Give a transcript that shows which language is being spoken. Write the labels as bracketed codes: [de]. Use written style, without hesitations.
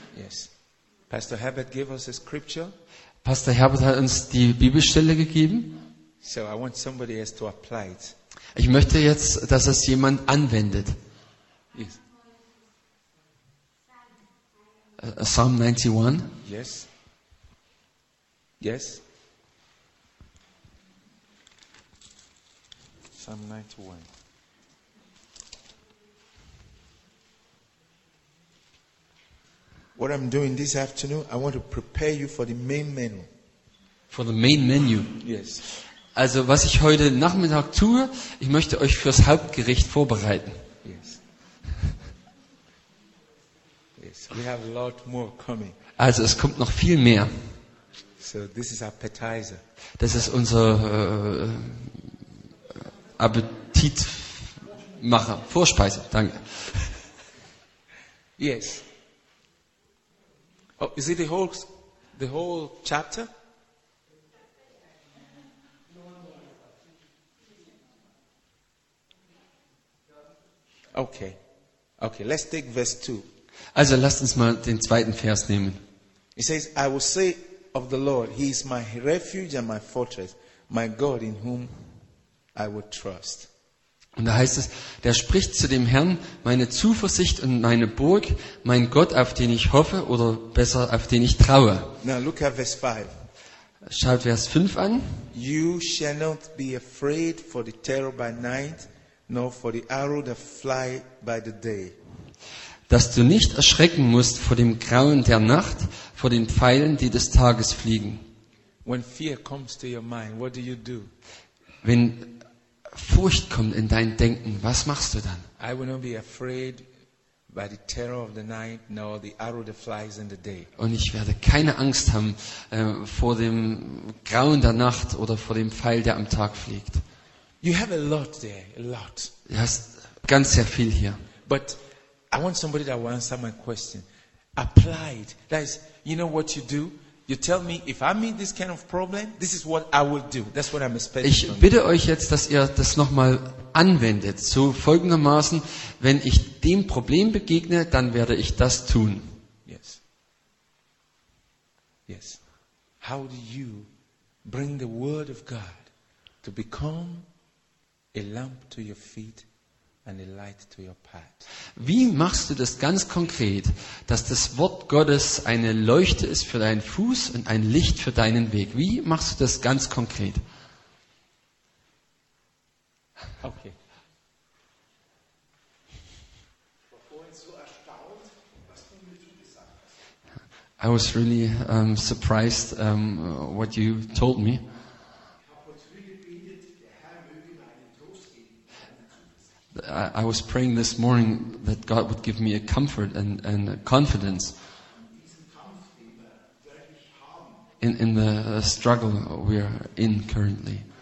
[en] Yes. Pastor Herbert gave us a scripture. [de] Pastor Herbert hat uns die Bibelstelle gegeben. [en] So I want somebody else to apply it. [de] Ich möchte jetzt, dass es jemand anwendet. [en] Yes. Psalm 91. Yes. Yes. Psalm 91. What I'm doing this afternoon, I want to prepare you for the main menu. For the main menu. Yes. [de] Also, was ich heute Nachmittag tue, ich möchte euch fürs Hauptgericht vorbereiten. [en] Yes. Yes. We have a lot more coming. [de] Also, es kommt noch viel mehr. [en] So, this is appetizer. [de] Das ist unser Appetitmacher, Vorspeise. Danke. [en] Yes. Oh, is it the whole chapter? Okay, let's take verse 2. [de] Also, lasst uns mal den zweiten Vers nehmen. [en] It says, I will say of the Lord, He is my refuge and my fortress, my God in whom I will trust. [de] Und da heißt es, der spricht zu dem Herrn, meine Zuversicht und meine Burg, mein Gott, auf den ich hoffe oder besser, auf den ich traue. [en] Now look at verse 5. [de] Schaut Vers 5 an. [en] You shall not be afraid for the terror by night, nor for the arrow that fly by the day. [de] Dass du nicht erschrecken musst vor dem Grauen der Nacht, vor den Pfeilen, die des Tages fliegen. [en] When fear comes to your mind, what do you do? [de] Wenn Furcht kommt in dein Denken, was machst du dann? [en] I will not be afraid by the terror of the night, nor the arrow that flies in the day. [de] Und ich werde keine Angst haben vor dem Grauen der Nacht oder vor dem Pfeil, der am Tag fliegt. [en] You have a lot there, a lot. [de] Du hast ganz sehr viel hier. [en] But I want somebody that will answer my question. Apply it. That is, you know what you do? You tell me, if I meet this kind of problem, this is what I will do. That's what I'm expecting. [de] Ich bitte euch jetzt, dass ihr das nochmal anwendet. So folgendermaßen, wenn ich dem Problem begegne, dann werde ich das tun. [en] Yes. Yes. How do you bring the word of God to become a lamp to your feet? And a light to your path. [de] Wie machst du das ganz konkret, dass das Wort Gottes eine Leuchte ist für deinen Fuß und ein Licht für deinen Weg? Wie machst du das ganz konkret? [en] Okay. [de] Ich war vorhin so erstaunt, was du mir gesagt hast. [en] I was really surprised what you told me. I was praying this morning that God would give me a comfort and a confidence in the struggle we are in currently.